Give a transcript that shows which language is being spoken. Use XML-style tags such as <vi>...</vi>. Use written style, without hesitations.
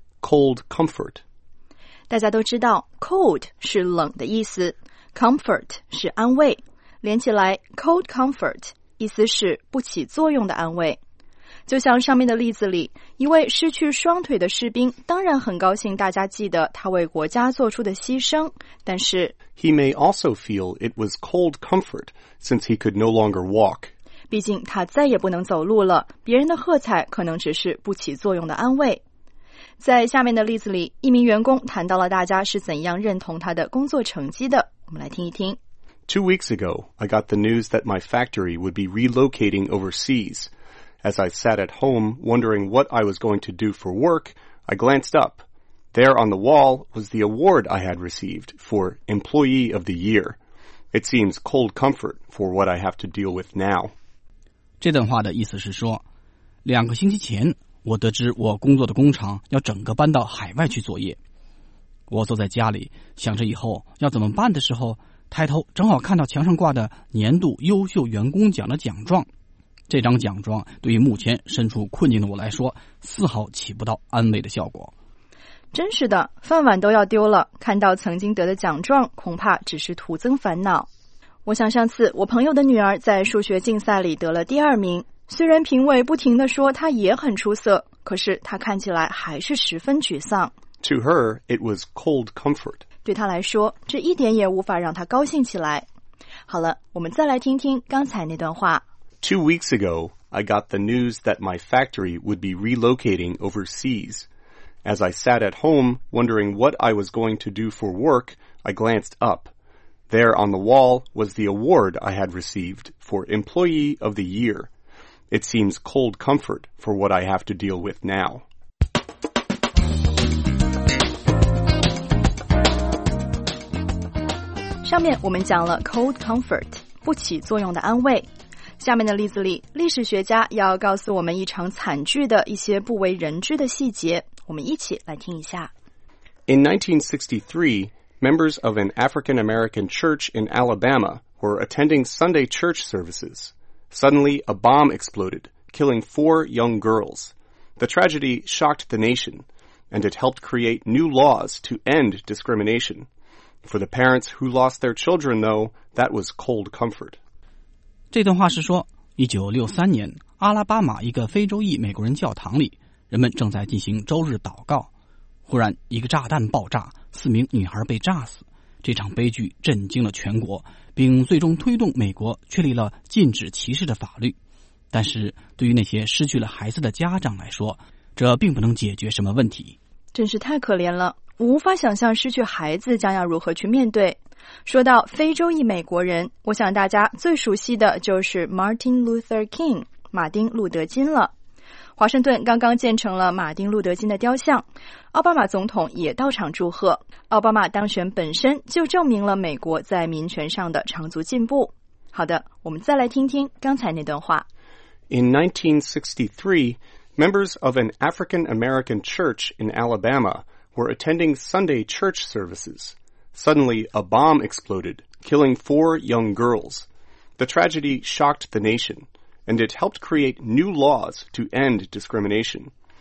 <en>Cold comfort.</en> <zh>大家都知道 cold 是冷的意思， comfort 是安慰，连起来 cold comfort 意思是不起作用的安慰。就像上面的例子里，一位失去双腿的士兵当然很高兴大家记得他为国家做出的牺牲，但是</zh> <en>He may also feel it was cold comfort since he could no longer walk.</en> <zh>毕竟他再也不能走路了，别人的喝彩可能只是不起作用的安慰。在下面的例子里，一名员工谈到了大家是怎样认同他的工作成绩的，我们来听一听。</zh> <en>2 weeks ago, I got the news that my factory would be relocating overseas. As I sat at home, wondering what I was going to do for work, I glanced up. There on the wall was the award I had received for Employee of the Year. It seems cold comfort for what I have to deal with now.</en> <zh>这段话的意思是说，两个星期前，我得知我工作的工厂要整个搬到海外去作业。我坐在家里，想着以后要怎么办的时候，抬头正好看到墙上挂的年度优秀员工奖的奖状。这张奖状对于目前身处困境的我来说，丝毫起不到安慰的效果。真是的，饭碗都要丢了，看到曾经得的奖状，恐怕只是徒增烦恼。我想上次我朋友的女儿在数学竞赛里得了第二名，虽然评委不停地说她也很出色，可是她看起来还是十分沮丧。</zh> <en>To her, it was cold comfort.</en> <zh>对她来说，这一点也无法让她高兴起来。好了，我们再来听听刚才那段话。</zh> <en>2 weeks ago, I got the news that my factory would be relocating overseas. As I sat at home, wondering what I was going to do for work, I glanced up. There on the wall was the award I had received for Employee of the Year. It seems cold comfort for what I have to deal with now.</en> <zh>上面我们讲了 cold comfort, 不起作用的安慰。下面的例子里，历史学家要告诉我们一场惨剧的一些不为人知的细节，我们一起来听一下。</zh> <en>In 1963, members of an African-American church in Alabama were attending Sunday church services. Suddenly, a bomb exploded, killing 4 young girls. The tragedy shocked the nation, and it helped create new laws to end discrimination. For the parents who lost their children, though, that was cold comfort.</en> <zh>这段话是说1963年阿拉巴马一个非洲裔美国人教堂里，人们正在进行周日祷告，忽然一个炸弹爆炸，四名女孩被炸死。这场悲剧震惊了全国，并最终推动美国确立了禁止歧视的法律。但是对于那些失去了孩子的家长来说，这并不能解决什么问题。真是太可怜了，无法想象失去孩子将要如何去面对。说到非洲裔美国人，我想大家最熟悉的就是 Martin Luther King, 马丁·路德·金了。华盛顿刚刚建成了马丁·路德·金的雕像，奥巴马总统也到场祝贺。奥巴马当选本身就证明了美国在民权上的长足进步。好的，我们再来听听刚才那段话。</zh> <en>In 1963, members of an African American church in Alabama were attending Sunday church services. Suddenly, a bomb exploded, killing 4 young girls. The tragedy shocked the nation, and it helped create new laws to end discrimination.</en>